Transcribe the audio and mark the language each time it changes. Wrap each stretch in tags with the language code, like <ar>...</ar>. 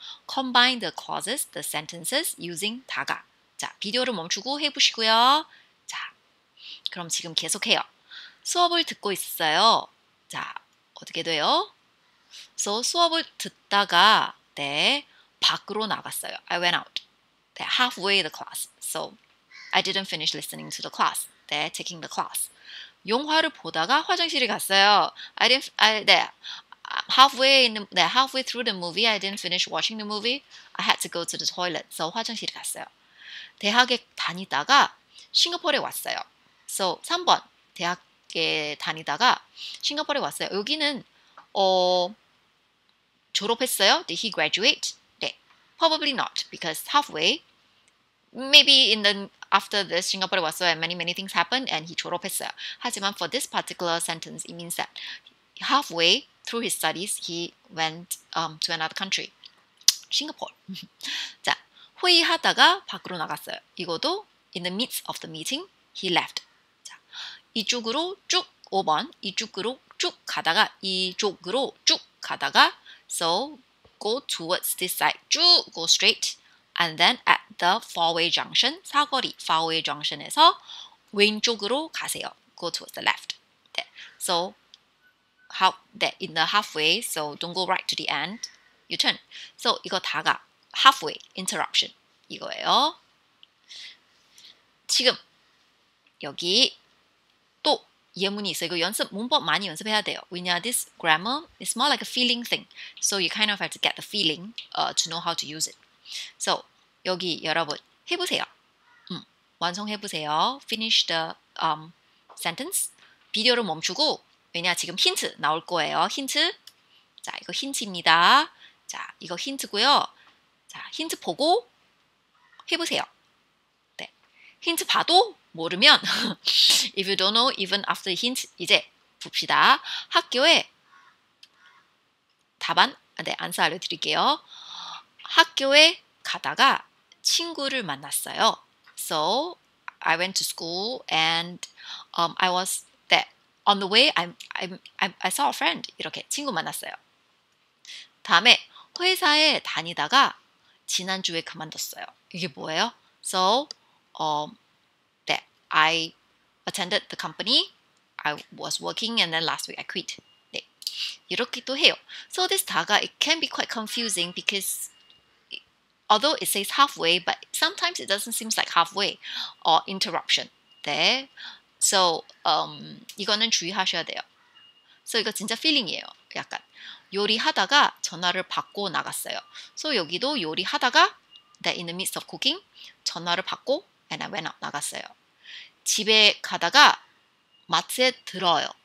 <en>Combine the clauses, the sentences using 다가.</en> <ko>자, 비디오를 멈추고 해 보시고요. 자, 그럼 지금 계속해요. 수업을 듣고 있어요. 자, 어떻게 돼요? So 수업을 듣다가, 네, 밖으로 나갔어요.</ko> <en>I went out. 네, halfway the class. So I didn't finish listening to the class. 네, taking the class.</en> <ko>영화를 보다가 화장실에 갔어요.</ko> <en>Halfway through the movie, I didn't finish watching the movie. I had to go to the toilet, so</en> <ko>화장실에 갔어요. 대학에 다니다가 싱가포르에 왔어요. So 3번, 대학에 다니다가 싱가포르에 왔어요. 여기는 졸업했어요?</ko> <en>Did he graduate? 네, probably not, because halfway. Maybe after this, Singapore</en> <ko>왔어요.</ko> <en>And many things happened, and he</en> <ko>졸업했어요. 하지만</ko> <en>for this particular sentence, it means that halfway through his studies, he went to another country, Singapore.</en> <ko>자, 회의하다가 밖으로 나갔어요.</ko> <en>이것도 in the midst of the meeting, he left.</en> <ko>자, 이쪽으로 쭉 5번, 이쪽으로 쭉 가다가 이쪽으로 쭉 가다가,</ko> <en>so go towards this side,</en> <ko>쭉</ko> <en>go straight. And then at the four-way junction, 사거리, four-way junction에서</en> <ko>왼쪽으로 가세요.</ko> <en>Go towards the left. 네. So, in the halfway, so don't go right to the end, you turn. So,</en> <ko>이거 다가,</ko> <en>halfway, interruption,</en> <ko>이거예요. 지금, 여기 또 예문이 있어요. 이거 연습, 문법 많이 연습해야 돼요. 왜냐,</ko> <en>this grammar is more like a feeling thing. So, you kind of have to get the feeling to know how to use it.</en> <ko>So, 여기 여러분 해보세요. 완성해보세요.</ko> <en>Finish the sentence.</en> <ko>비디오를 멈추고, 왜냐, 지금 힌트 나올 거예요. 힌트. 자, 이거 힌트입니다. 자, 이거 힌트고요. 자, 힌트 보고 해보세요. 네. 힌트 봐도 모르면,</ko> <en>if you don't know even after the hint,</en> <ko>이제 봅시다. 학교에 답안, 네, 안서 알려드릴게요. 학교에 가다가 친구를 만났어요.</ko> <en>So, I went to school and I was there. On the way, I saw a friend.</en> <ko>이렇게 친구 만났어요. 다음에 회사에 다니다가 지난주에 그만뒀어요. 이게 뭐예요?</ko> <en>So, I attended the company. I was working and then last week I quit.</en> <ko>네. 이렇게 또 해요.</ko> <en>So, this 다가 it can be quite confusing because although it says halfway, but sometimes it doesn't seem like halfway or interruption.</en> <ko>네. So, 이거는 주의하셔야 돼요. So, 이거 진짜 feeling이에요. 약간. 요리하다가 전화를 받고 나갔어요.</ko> <en>So,</en> <ko>여기도 요리하다가,</ko> <en>that in the midst of cooking,</en> <ko>전화를 받고,</ko> <en>and I went out,</en> <ko>나갔어요. 집에 가다가 마트에 들어요.</ko>